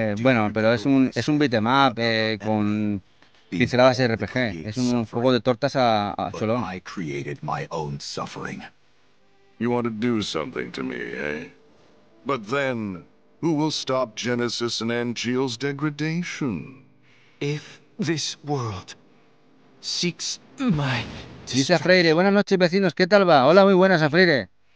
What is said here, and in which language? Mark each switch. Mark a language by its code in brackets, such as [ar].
[es] Bueno, pero es un beat'em up con pinceladas RPG. Es un juego de tortas a cholón. [en] I created my own suffering. You want to do something to me, eh? But then, who will stop Genesis and Angeal's degradation? If this world seeks my... [es] Dice Freire, buenas noches vecinos, ¿qué tal va? Hola, muy buenas, Freire.